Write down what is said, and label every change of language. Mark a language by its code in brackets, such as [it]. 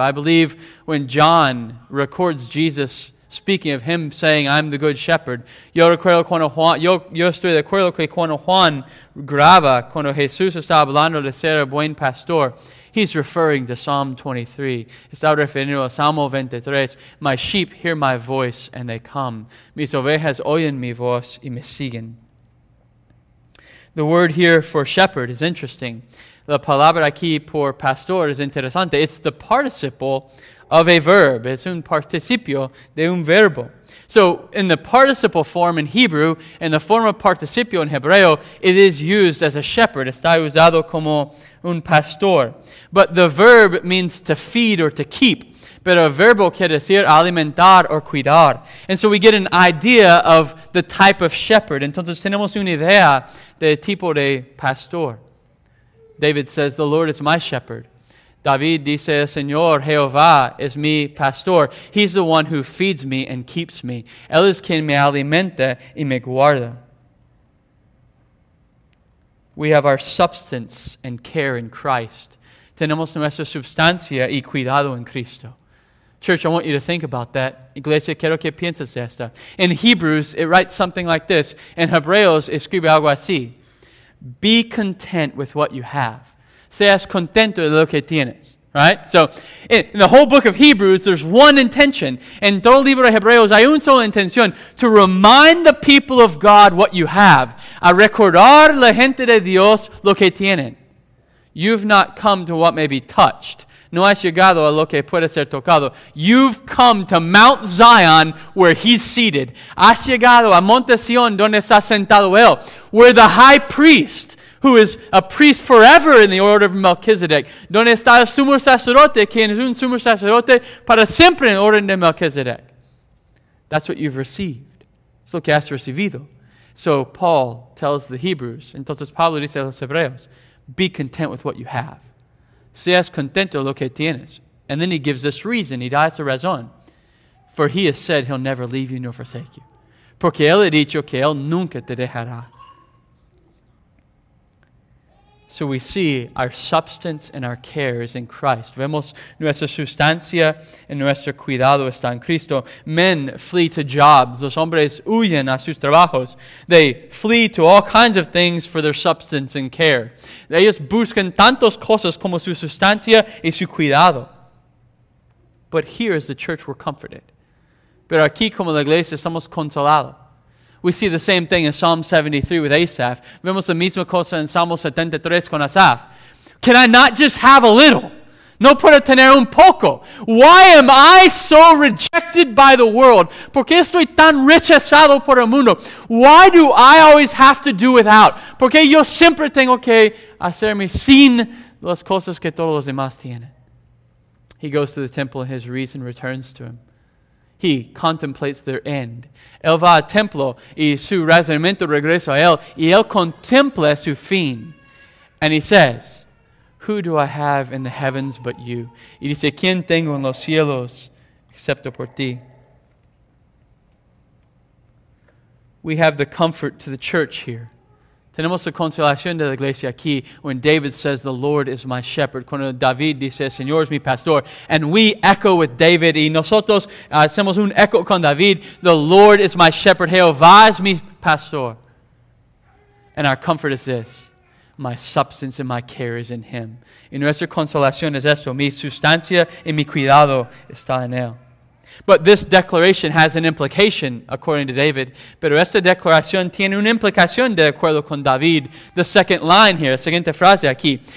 [en] I believe when John records Jesus speaking of him saying, I'm the good shepherd. [es] Yo recuerdo cuando Juan, yo estoy de acuerdo que cuando Juan graba, cuando Jesús está hablando de ser el buen pastor, [en] he's referring to Psalm 23. [es] Está refiriendo a Salmo 23. [en] My sheep hear my voice and they come. [es] Mis ovejas oyen mi voz y me siguen. [en] The word here for shepherd is interesting. [es] La palabra aquí por pastor is interesante. [en] It's the participle of a verb. [es] Es un participio de un verbo. [en] So, in the participle form in Hebrew, in the form of participio in Hebreo, it is used as a shepherd. [es] Está usado como un pastor. [en] But the verb means to feed or to keep. [es] Pero el verbo quiere decir alimentar or cuidar. [en] And so we get an idea of the type of shepherd. [es] Entonces tenemos una idea de tipo de pastor. [en] David says, the Lord is my shepherd. [es] David dice, Señor, Jehová es mi pastor. [en] He's the one who feeds me and keeps me. [es] Él es quien me alimenta y me guarda. [en] We have our substance and care in Christ. [es] Tenemos nuestra sustancia y cuidado en Cristo. [en] Church, I want you to think about that. [es] Iglesia, quiero que pienses esto. [en] In Hebrews, it writes something like this. [es] In Hebreos, escribe algo así. [en] Be content with what you have. [es] Seas contento de lo que tienes. [en] Right? So, in the whole book of Hebrews, there's one intention. [es] En todo el libro de Hebreos hay una sola intención. [en] To remind the people of God what you have. [es] A recordar la gente de Dios lo que tienen. [en] You've not come to what may be touched. [es] No has llegado a lo que puede ser tocado. [en] You've come to Mount Zion where he's seated. [es] Has llegado a Monte Sion donde está sentado él. [en] Where the high priest, who is a priest forever in the order of Melchizedek, [es] donde está el sumo sacerdote, quien es un sumo sacerdote para siempre en orden de Melchizedek. [en] That's what you've received. [es] Es lo que has recibido. [en] So Paul tells the Hebrews, [es] entonces Pablo dice a los Hebreos, [en] be content with what you have. [es] Seas contento lo que tienes. [en] And then he gives this reason. He dies the razón. For he has said he'll never leave you nor forsake you. [es] Porque él ha dicho que él nunca te dejará. [en] So we see our substance and our cares in Christ. [es] Vemos nuestra sustancia y nuestro cuidado está en Cristo. [en] Men flee to jobs. [es] Los hombres huyen a sus trabajos. [en] They flee to all kinds of things for their substance and care. [es] Ellos buscan tantas cosas como su sustancia y su cuidado. [en] But here as the church, we're comforted. [es] Pero aquí como la iglesia estamos consolados. [en] We see the same thing in Psalm 73 with Asaph. [es] Vemos la misma cosa en Salmo 73 con Asaph. [en] Can I not just have a little? [es] No puedo tener un poco. [en] Why am I so rejected by the world? [es] ¿Por qué estoy tan rechazado por el mundo? [en] Why do I always have to do without? [es] ¿Por qué yo siempre tengo que hacerme sin las cosas que todos los demás tienen? [en] He goes to the temple and his reason returns to him. He contemplates their end. [es] Él va al templo y su razonamiento regresa a él y él contempla su fin. [en] And he says, who do I have in the heavens but you? [es] Y dice, ¿quién tengo en los cielos excepto por ti? [en] We have the comfort to the church here. [es] Tenemos la consolación de la iglesia aquí [en] when David says, the Lord is my shepherd. [es] Cuando David dice, Señor es mi pastor. [en] And we echo with David. [es] Y nosotros hacemos un eco con David. [en] The Lord is my shepherd. [es] Jehová es mi pastor. [en] And our comfort is this. My substance and my care is in him. [es] Y nuestra consolación es esto. Mi sustancia y mi cuidado está en él. [en] But this declaration has an implication, according to David. [es] Pero esta declaración tiene una implicación de acuerdo con David. [en] The second line here, [es] la siguiente frase aquí.